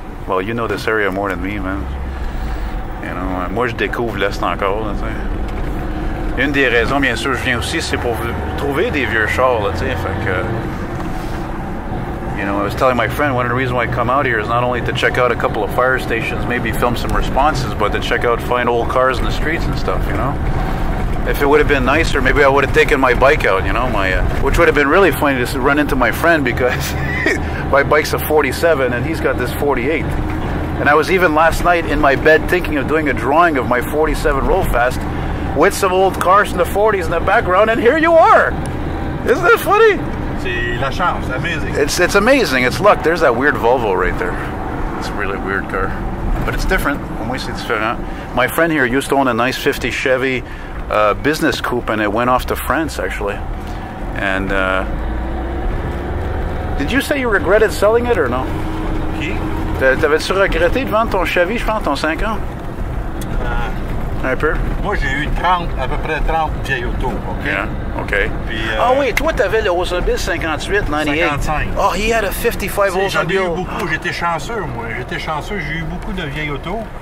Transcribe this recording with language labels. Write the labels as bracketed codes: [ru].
[en] Well, you know this area more than me, man. You know, [fr] moi, je découvre l'Est encore, là, t'sais. Une des raisons, bien sûr, je viens aussi, c'est pour trouver des vieux chars, là, t'sais. Fait que, [en] you know, I was telling my friend, one of the reasons why I come out here is not only to check out a couple of fire stations, maybe film some responses, but to check out, find old cars in the streets and stuff, you know? If it would have been nicer, maybe I would have taken my bike out, you know, my which would have been really funny to run into my friend because my bike's a 47 and he's got this 48. And I was even last night in my bed thinking of doing a drawing of my 47 Rollfast with some old cars from the 40s in the background, and here you are! Isn't that funny? [fr] C'est la chance, c'est amazing. [en] It's amazing, it's luck. There's that weird Volvo right there. It's a really weird car. But it's different. [fr] Moi, c'est différent. [en] My friend here used to own a nice 50 Chevy business coupe, and it went off to France, actually. And did you say you regretted selling it or no? [fr] Qui? T'avais-tu regretté de vendre ton Chevy, je pense, ton 5 ans? Un peu? Moi, j'ai eu 30, à peu près 30 vieilles autos, OK? [en] Yeah, OK. [fr] Puis, ah oui, toi, t'avais le Rosenbill 58, 98. 55. [en] Oh, he had a 55 Rosenbill. [fr] J'en ai eu beaucoup. J'étais chanceux, moi. J'étais chanceux. J'ai eu beaucoup de vieilles autos.